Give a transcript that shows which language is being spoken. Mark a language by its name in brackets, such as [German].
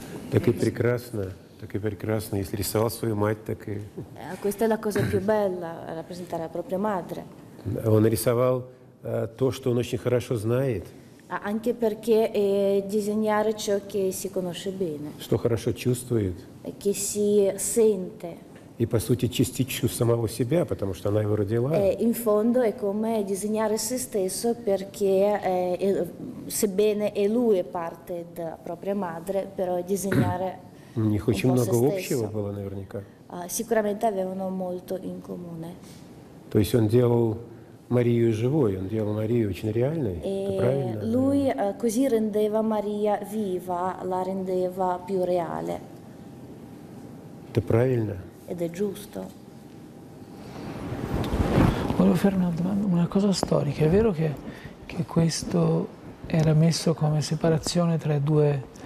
[Russian] Так и прекрасно, если рисовал свою мать, так и... [Italian] Questa è la cosa più bella, rappresentare la propria madre. [Russian] Он рисовал то, что он очень хорошо знает. [Italian] Anche perché disegnare ciò che si conosce bene. [Russian] Что хорошо чувствует. [Italian] Che si sente. [Russian] И, по сути, частичку самого себя, потому что она его родила. [Italian] In fondo è come disegnare se stesso, perché sebbene è lui parte da propria madre, però disegnare un po' se stesso. [Russian] У них очень много общего было наверняка. [Italian] sicuramente avevano molto in comune. [Russian] То есть он делал Марию живой, он делал Марию очень реальной, это правильно? [Italian] Lui così rendeva Maria viva, la rendeva più reale. [Russian] Это правильно? [Italian] Ed è giusto. Volevo fare una domanda, una cosa storica. È vero che questo era messo come separazione tra i due?